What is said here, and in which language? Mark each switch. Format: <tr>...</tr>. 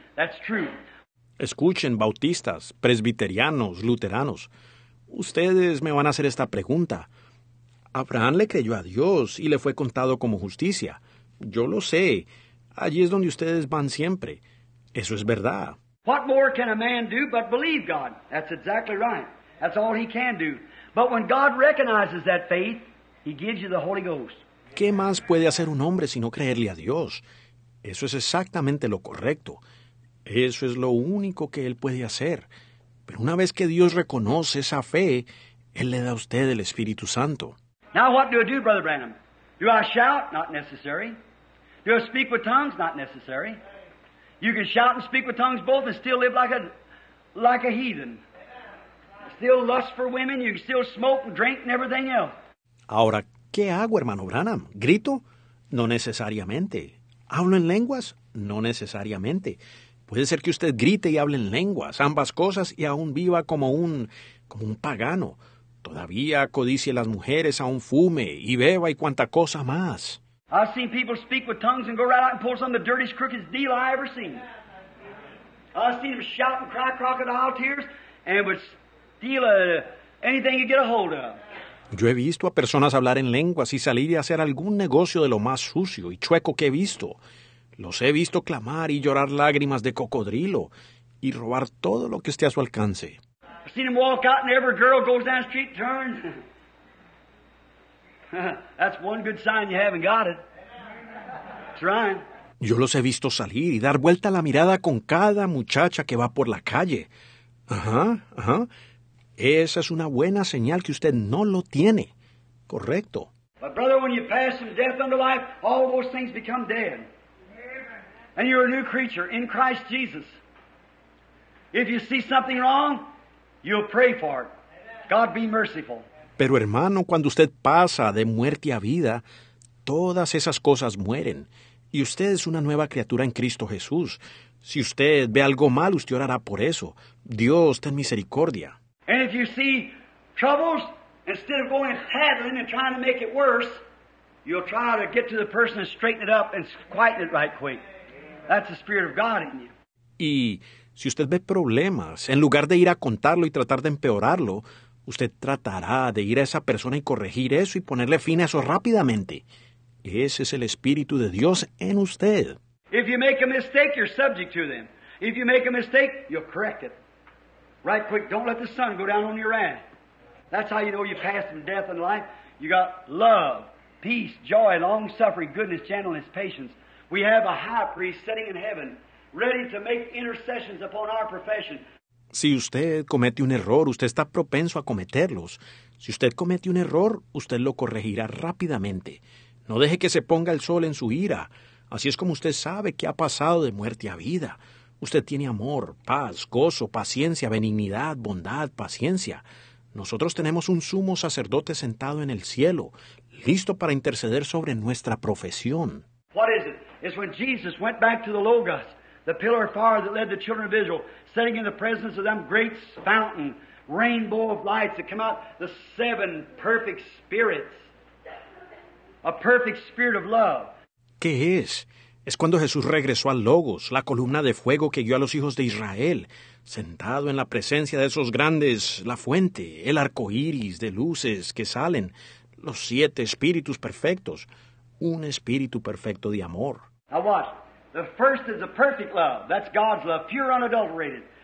<en>That's true.</en> <es>Escuchen, bautistas, presbiterianos, luteranos. Ustedes me van a hacer esta pregunta. Abraham le creyó a Dios y le fue contado como justicia. Yo lo sé. Allí es donde ustedes van siempre. Eso es verdad.</es> <en>What more can a man do but believe God? That's exactly right. That's all he can do. But when God recognizes that faith, he gives you the Holy Ghost.</en> <es>¿Qué más puede hacer un hombre sino creerle a Dios? Eso es exactamente lo correcto. Eso es lo único que él puede hacer. Pero una vez que Dios reconoce esa fe, él le da a usted el Espíritu Santo.</es> <en>Now what do I do, Brother Branham? Do I shout? Not necessary. Do I speak with tongues? Not necessary. You can shout and speak with tongues both and still live like a heathen. Still lust for women, you can still smoke and drink and everything else.</en> <es>Ahora, ¿qué hago, hermano Branham? ¿Grito? No necesariamente. ¿Hablo en lenguas? No necesariamente. Puede ser que usted grite y hable en lenguas, ambas cosas, y aún viva como un pagano. Todavía codicie las mujeres, aún fume y beba y cuanta cosa más.</es> <en>I've seen people speak with tongues and go right out and pull some of the dirtiest, crookedest deal I ever seen. I've seen them shout and cry crocodile tears and would steal anything you get a hold of.</en> <es>Yo he visto a personas hablar en lenguas y salir y hacer algún negocio de lo más sucio y chueco que he visto. Los he visto clamar y llorar lágrimas de cocodrilo y robar todo lo que esté a su alcance.</es> <en>I've seen them walk out and every girl goes down the street and turns. That's one good sign you haven't got it. Trying.</en> <es>Yo los he visto salir y dar vuelta la mirada con cada muchacha que va por la calle. Ajá, ajá. Esa es una buena señal que usted no lo tiene. Correcto.</es> <en>But brother, when you pass from death unto life, all those things become dead. And you're a new creature in Christ Jesus. If you see something wrong, you'll pray for it. God be merciful.</en> <es>Pero hermano, cuando usted pasa de muerte a vida, todas esas cosas mueren. Y usted es una nueva criatura en Cristo Jesús. Si usted ve algo mal, usted orará por eso. Dios, ten misericordia.</es> <en>And if you see troubles, instead of going tattling and trying to make it worse, you'll try to get to the person and straighten it up and quieten it right quick. That's the Spirit of God in you.</en> <es>Y si usted ve problemas, en lugar de ir a contarlo y tratar de empeorarlo, usted tratará de ir a esa persona y corregir eso y ponerle fin a eso rápidamente. Ese es el Espíritu de Dios en usted.</es> <en>If you make a mistake, you're subject to them. If you make a mistake, you'll correct it. Right quick, don't let the sun go down on your wrath. That's how you know you passed from death and life. You got love, peace, joy, long-suffering, goodness, gentleness, patience. We have a high priest sitting in heaven, ready to make intercessions upon our profession.</en> <es>Si usted comete un error, usted está propenso a cometerlos. Si usted comete un error, usted lo corregirá rápidamente. No deje que se ponga el sol en su ira. Así es como usted sabe que ha pasado de muerte a vida. Usted tiene amor, paz, gozo, paciencia, benignidad, bondad, paciencia. Nosotros tenemos un sumo sacerdote sentado en el cielo, listo para interceder sobre nuestra profesión.</es> <en>What is it? It's when Jesus went back to the Logos. The pillar of fire that led the children of Israel, sitting in the presence of them great fountain, rainbow of lights that come out, the seven perfect spirits, a perfect spirit of love.</en> <es>¿Qué es? Es cuando Jesús regresó al Logos, la columna de fuego que guió a los hijos de Israel, sentado en la presencia de esos grandes, la fuente, el arco iris de luces que salen, los siete espíritus perfectos, un espíritu perfecto de amor.</es> <en>Now watch. The first is a perfect love. That's God's love, pure, unadulterated.</en>